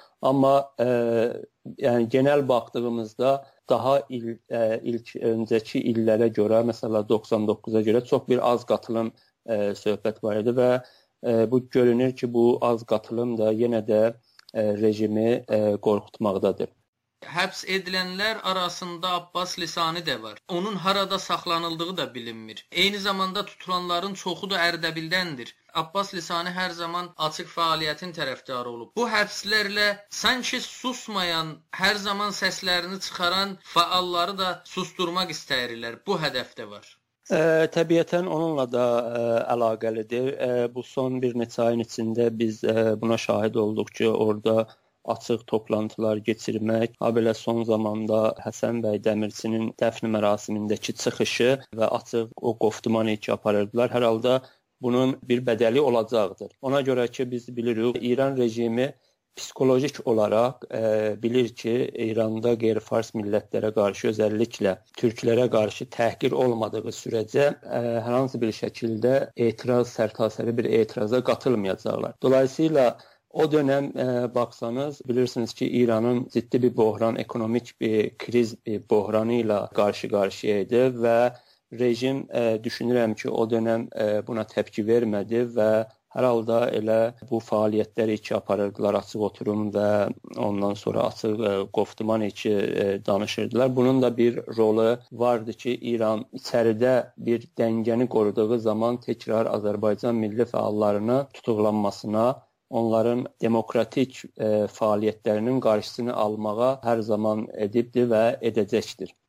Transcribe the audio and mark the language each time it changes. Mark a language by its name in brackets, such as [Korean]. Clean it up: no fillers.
[Azerbaijani] Amma yəni genel baxdığımızda daha ilk öncəki illərə görə, məsələn 99-a görə çox bir az qatılım söhbət var idi və bu görünür ki, bu az qatılım da yenə də rejimi qorxutmaqdadır. Həbs edilənlər arasında Abbas Lisani də var. Onun harada saxlanıldığı da bilinmir. Eyni zamanda tutulanların çoxu da Ərdəbildəndir. Abbas Lisani hər zaman açıq fəaliyyətin tərəfdarı olub. Bu həbslərlə sanki susmayan, hər zaman səslərini çıxaran faalları da susturmaq istəyirlər. Bu hədəf də var. Təbiətən onunla da əlaqəlidir. Bu son bir neçə ayın içində biz buna şahid olduq ki, orada açıq toplantılar geçirmek, ha belə son zamanda Həsən bəy Dəmirçinin dəfn mərasimindəki çıxışı və açıq o qoftumanı ki aparırdılar. Hər halda bunun bir bədəli olacaqdır. Ona görə ki, biz bilirik, İran rejimi psixolojik olaraq bilir ki, İranda qeyri-fars millətlərə qarşı, özəlliklə türklərə qarşı təhqir olmadığı sürəcə hər hansı bir şəkildə etiraz, sərtasəri bir etiraza qatılmayacaqlar. [Turkish] Dolayısıyla o dönem baksanız bilirsiniz ki İran'ın ciddi bir bohran, ekonomik bir kriz bohranıyla karşı karşıyaydı ve [Azerbaijani] rejim düşünürəm ki, [Turkish] o dönem buna tepki vermedi ve her halda [Azerbaijani] elə bu fəaliyyətləri iki aparırdılar, açıq oturum və ondan sonra açıq qoftuman iki danışırdılar. Bunun da bir rolu vardı ki, İran içəridə bir dəngəni qoruduğu zaman tekrar Azərbaycan milli fəallarını tutuqlanmasına, onların demokratik fəaliyyətlərinin qarşısını almağa hər zaman edibdir və edəcəkdir.